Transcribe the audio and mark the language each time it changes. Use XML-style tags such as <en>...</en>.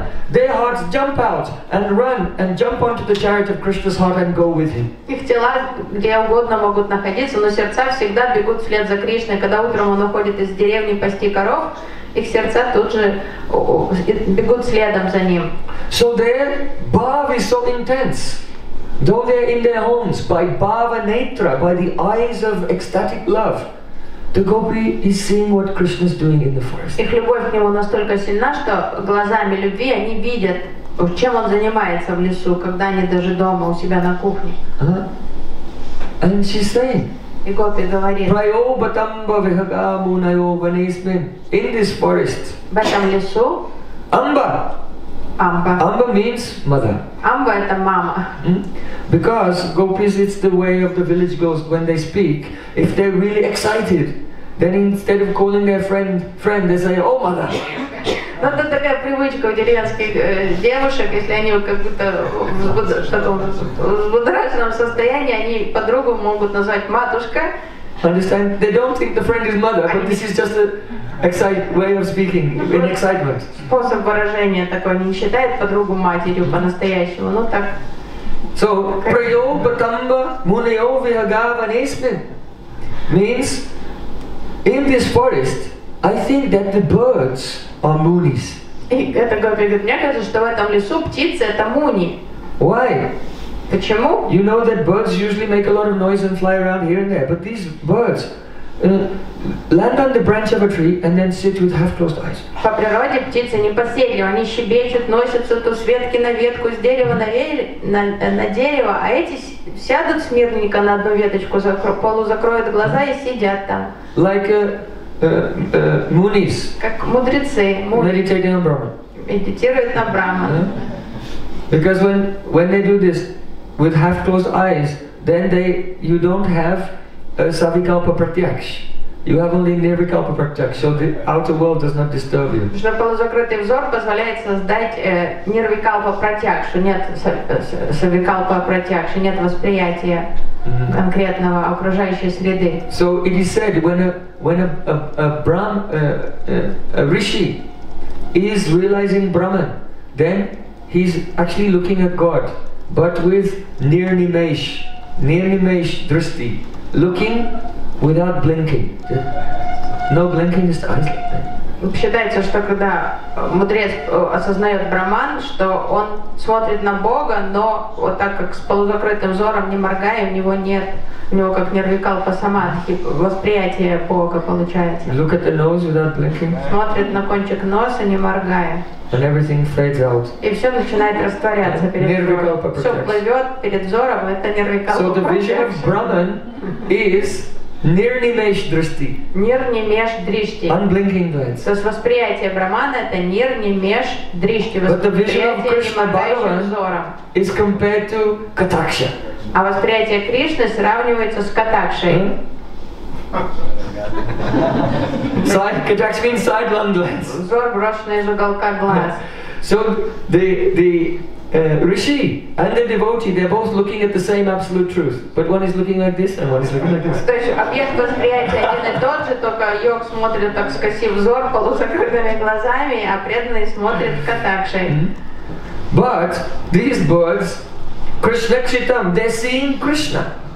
<en>Their hearts jump out and run and jump onto the chariot of Krishna's heart and go with him.</en> <ru>Их тела где угодно могут находиться, но сердца всегда бегут вслед за Кришной. Когда утром он уходит из деревни пасти коров, их сердца тут же бегут следом за ним.</ru> <en>So their bhava is so intense. Though they're in their homes, by bhava netra, by the eyes of ecstatic love, the gopi is seeing what Krishna is doing in the forest.</en> <ru>Их любовь к нему настолько сильна, что глазами любви они видят, чем он занимается в лесу, когда они даже дома у себя на кухне.</ru> <en>And she's saying.</en> <ru>И гопи говорит.</ru> <sa>Prayo batamba vihaga munayo vanesmin.</sa> <en>In this forest.</en> <ru>В этом лесу.</ru> <sa>Amba. Amba.</sa> <en>Amba means mother.</en> <ru>Бамба это мама.</ru> <en>Because gopis, it's the way of the village girls when they speak. If they're really excited, then instead of calling their friend, they say, oh, mother.</en> <ru>Ну, это такая привычка у деревенских девушек, если они как будто в взбудораженном состоянии, они подругу могут назвать матушка.</ru> <en>Understand? They don't think the friend is mother, but this is just a way of speaking in excitement.</en> <ru>Способ выражения такой, они не считают подругу матерью по-настоящему, но так.</ru> <en>So,</en> <sa>prayo batamba muneo vihagava nesmin</sa> <en>means, in this forest, I think that the birds are moonies.</en> <ru>И это гопи говорит, мне кажется, что в этом лесу птицы это муни.</ru> <en>Why?</en> <ru>Почему?</ru> <en>You know that birds usually make a lot of noise and fly around here and there, but these birds land on the branch of a tree and then sit with half-closed eyes.</en> <ru>По природе птицы не поселили, они щебечут, носятся то с ветки на ветку, с дерева на дерево, а эти сядут смирненько на одну веточку, полузакроют глаза и сидят там.</ru> <en>Like moonies.</en> <ru>Как мудрецы.</ru> <en>Meditating on Brahman.</en> <ru>Медитируют на Брахман.</ru> <en>Because when they do this with half-closed eyes, then you don't have a savikalpa pratyaksh. You have only nirvikalpa pratyaksh, so the outer world does not disturb you.</en> <ru>Что полузакрытый взор позволяет создать нирвикалпа пратьякш, нет савикалпа пратьякш, нет восприятия конкретного окружающей среды.</ru> <en>So it is said when a rishi is realizing Brahman, then he's actually looking at God. But with nirnimesh drishti, looking without blinking, no blinking is eyes.</en> <ru>Считается, что когда мудрец осознает Брахман, что он смотрит на Бога, но вот так как с полузакрытым взором, не моргая, у него как нирвикалпа самадхи, восприятие Бога получается.</ru> <en>Look at the nose without blinking.</en> <ru>Смотрит на кончик носа, не моргая.</ru> <en>And everything fades out.</en> <ru>И все начинает растворяться перед взором. Нирвикалпа все плывет перед взором, это нирвикалпа.</ru> <en>So the vision of Brahman is nirnimesh drishti. Nirnimesh drishti. Unblinking glance.</en> <ru>То есть восприятие Брахмана это nirnimesh drishti.</ru> <en>But the vision of Krishna Bhagavan is compared to kataksha.</en> <ru>А восприятие Кришны сравнивается с катакшей.</ru> <en>Side kataksha means side blind glance.</en> <ru>Взор брошенный из уголка глаз.</ru> <en>So the rishi and the devotee, they're both looking at the same absolute truth, but one is looking like this and one is looking like this.</en> <ru>Объект восприятия один и тот же, только йог смотрит так скосив взор полузакрытыми глазами, а преданный смотрит катакшей.</ru> <en>But these birds, Krishna Kshitam, they're seeing Krishna.</en>